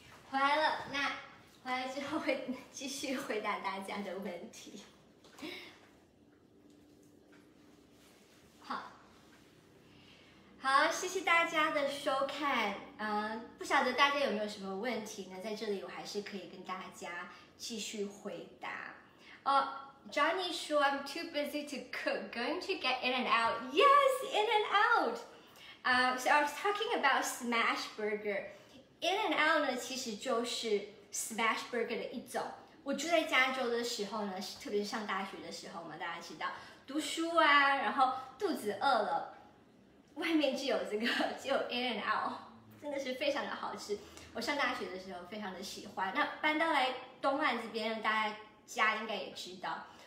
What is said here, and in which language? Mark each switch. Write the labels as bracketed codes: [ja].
[zh] 回来了，那回来之后会继续回答大家的问题。好，谢谢大家的收看。不晓得大家有没有什么问题呢？在这里我还是可以跟大家继续回答。哦， [en] Johnny [zh] 说 [en] I'm too busy to cook, going to get in and out. Yes, in and out. So I was talking about smash burger. [zh] In and out 呢，其实就是 smash burger 的一种。我住在加州的时候呢，特别是上大学的时候嘛，大家知道读书啊，然后肚子饿了，外面就有这个，就有 in and out， 真的是非常的好吃。我上大学的时候非常的喜欢。那搬到来东岸这边，大家应该也知道，